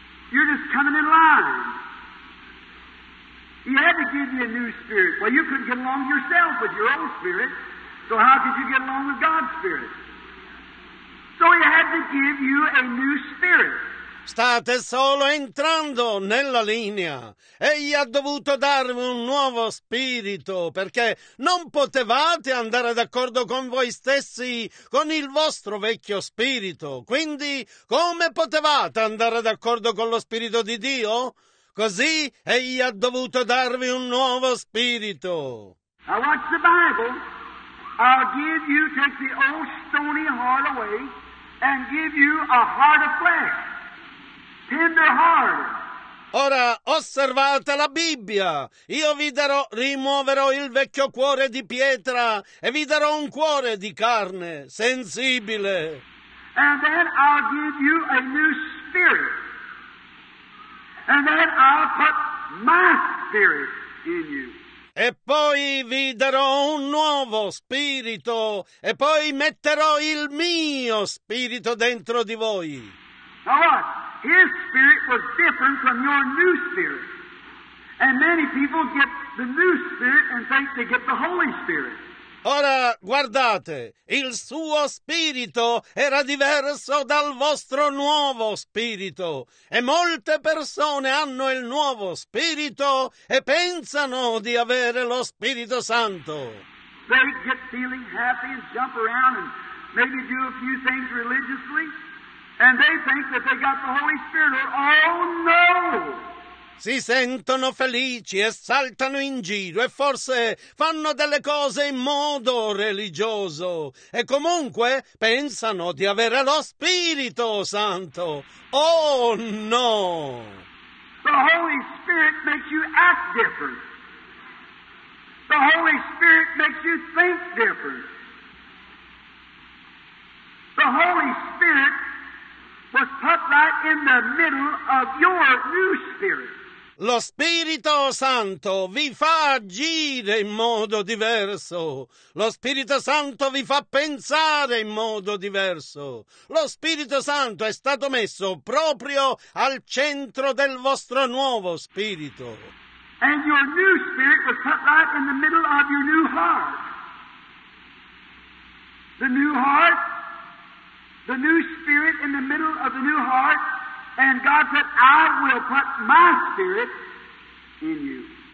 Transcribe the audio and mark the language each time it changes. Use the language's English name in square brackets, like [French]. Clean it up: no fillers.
[English] You're just coming in line. He had to give you a new spirit. Well, you couldn't get along yourself with your old spirit, so how could you get along with God's spirit? So he had to give you a new spirit. [Italian] State solo entrando nella linea. Egli ha dovuto darvi un nuovo spirito, perché non potevate andare d'accordo con voi stessi, con il vostro vecchio spirito. Quindi, come potevate andare d'accordo con lo spirito di Dio? Così egli ha dovuto darvi un nuovo spirito. [English] Now watch the Bible. I'll give you, take the old stony heart away and give you a heart of flesh. Tender heart. [Italian] Ora osservate la Bibbia. Io vi darò, rimuoverò il vecchio cuore di pietra e vi darò un cuore di carne, sensibile. [English] And then I'll give you a new spirit. And then I'll put my spirit in you. [Italian] E poi vi darò un nuovo spirito. E poi metterò il mio spirito dentro di voi. [English] Now what? His spirit was different from your new spirit. And many people get the new spirit and think they get the Holy Spirit. [Italian] Ora, guardate, il suo spirito era diverso dal vostro nuovo spirito e molte persone hanno il nuovo spirito e pensano di avere lo Spirito Santo. [English] They get feeling happy and jump around and maybe do a few things religiously and they think that they got the Holy Spirit. Oh no! [Italian] Si sentono felici e saltano in giro e forse fanno delle cose in modo religioso e comunque pensano di avere lo Spirito Santo. [English] Oh no! The Holy Spirit makes you act different. The Holy Spirit makes you think different. The Holy Spirit was put right in the middle of your new spirit. [Italian] Lo Spirito Santo vi fa agire in modo diverso. Lo Spirito Santo vi fa pensare in modo diverso. Lo Spirito Santo è stato messo proprio al centro del vostro nuovo spirito. [English] And your new spirit was put right in the middle of your new heart. The new heart, the new spirit in the middle of the new heart. And God said, I will put my spirit in you.